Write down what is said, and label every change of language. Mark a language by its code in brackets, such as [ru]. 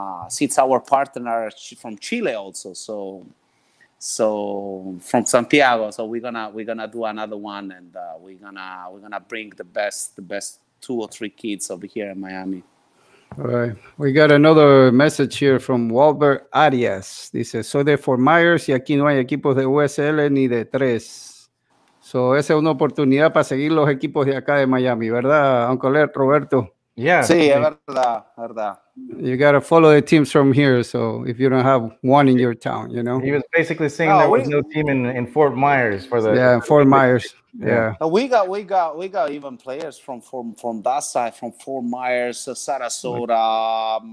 [en] Since our partner from Chile also, so from Santiago, so we're gonna do another one, and we're gonna bring the best two or three kids over here in Miami. All right, we got another message here from Walter Arias. [es] He says, "Soy de Fort Myers y aquí no hay equipos de USL ni de tres. So esa es una oportunidad para seguir los equipos de acá de Miami, ¿verdad, Uncle Roberto?" [en] Yeah. [es] Sí, es verdad. [en] You gotta follow the teams from here. So if you don't have one in your town, you know. He was basically saying there was no team in Fort Myers for the. Yeah, Fort Myers. Yeah. We got even players from that side, from Fort Myers, Sarasota.